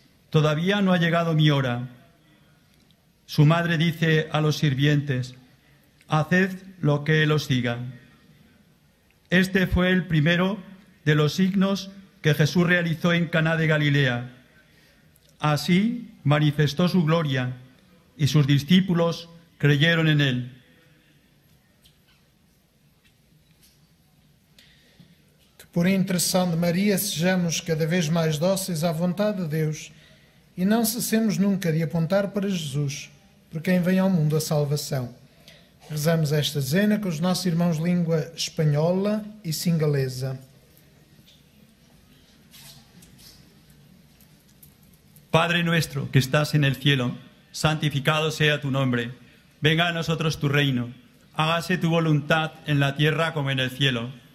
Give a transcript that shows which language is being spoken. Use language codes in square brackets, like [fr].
[es] Todavía no ha llegado mi hora». Su madre dice a los sirvientes: «Haced lo que él os diga». Este fue el primero de los signos que Jesús realizó en Caná de Galilea. Así manifestó su gloria, y sus discípulos creyeron en él. [pt] Que por intercessão de Maria sejamos cada vez mais dóceis à vontade de Deus, e não cessemos nunca de apontar para Jesus, por quem vem ao mundo a salvação. Rezamos esta dezena com os nossos irmãos de língua espanhola e singalesa. [es] Padre nuestro que estás en el cielo, santificado sea tu nombre. Venga a nosotros tu reino. Hágase tu voluntad en la tierra como en el cielo.